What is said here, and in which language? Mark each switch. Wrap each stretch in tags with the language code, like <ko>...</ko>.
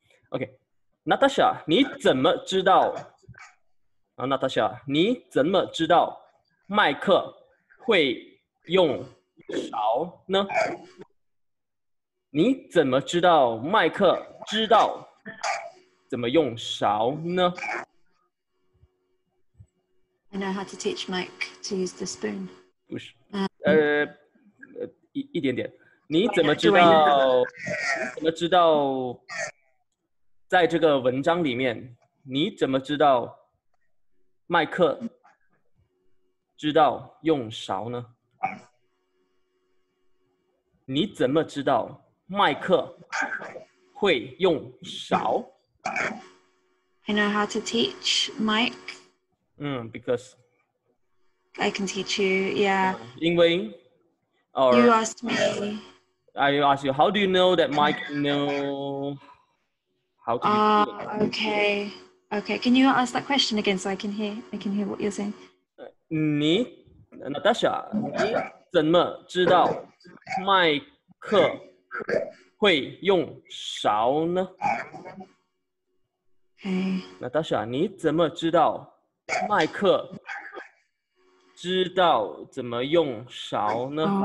<zh>OK， Natasha， 你怎么知道？Natasha， 你怎么知道麦克会用勺呢？你怎么知道麦克知道怎么用勺呢？</zh> <en>I know how to teach Mike to use the spoon.</en> <zh>不是，一点点。你怎么知道？怎么知道？在这个文章里面，你怎么知道麦克知道用勺呢？你怎么知道麦克会用勺？</zh> <en>I know how to teach Mike. Because I can teach you. Yeah.</en> <zh>因为</zh> <en>or, you asked me. I asked you. How do you know that Mike know how to? Okay. Can you ask that question again so I can hear? I can hear what you're saying.</en> <zh>你 Natasha， 你怎么知道麦克会用勺呢？ Natasha， 你怎么知道麦克知道怎么用勺呢？</zh>